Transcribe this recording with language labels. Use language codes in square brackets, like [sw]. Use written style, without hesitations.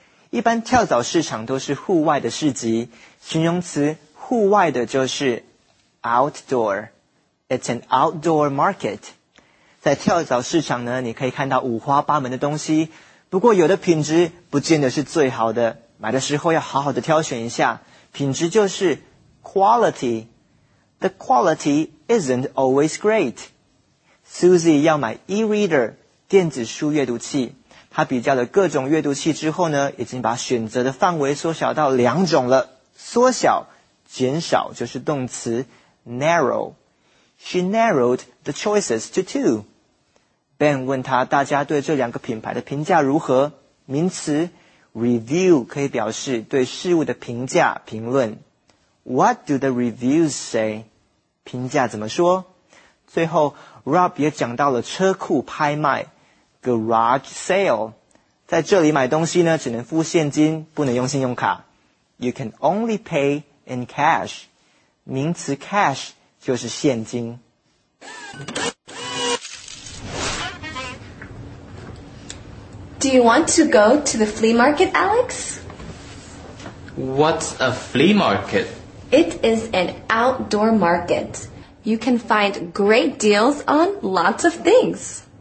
[zh] 一般跳蚤市场都是户外的市集。形容词户外的就是 outdoor. [en] It's an outdoor market. [zh] 在跳蚤市场呢，你可以看到五花八门的东西，不过有的品质不见得是最好的，买的时候要好好的挑选一下。品质就是 quality. [en] The quality isn't always great. [zh] Susie 要买 e-reader, 电子书阅读器。她比较了各种阅读器之后呢，已经把选择的范围缩小到两种了。缩小，减少就是动词 narrow. [en] She narrowed the choices to two. [zh] Ben 问他大家对这两个品牌的评价如何？名词 review 可以表示对事物的评价、评论。 [en] What do the reviews say? [zh] 评价怎么说？最后 Rob 也讲到了车库拍卖 garage sale。在这里买东西呢，只能付现金，不能用信用卡。 [en] You can only pay in cash。 [zh] 名词 cash 就是现金。 [en] Do you want to go to the flea market, Alex? What's a flea market? It is an outdoor market. You can find great deals on lots of things.